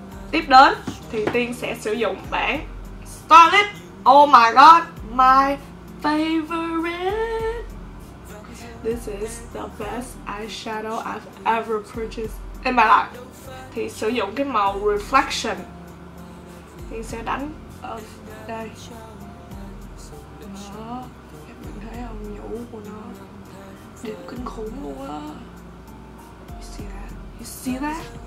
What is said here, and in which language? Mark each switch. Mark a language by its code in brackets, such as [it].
[vi] Tiếp đến thì Tiên sẽ sử dụng bản Starlit. [en] Oh my god, my favorite. This is the best eyeshadow I've ever purchased in my life. [vi] Thì sử dụng cái màu Reflection. Tiên sẽ đánh ở đây. Đó, các bạn thấy không, nhũ của nó đẹp kinh khủng luôn á. [en] You see that?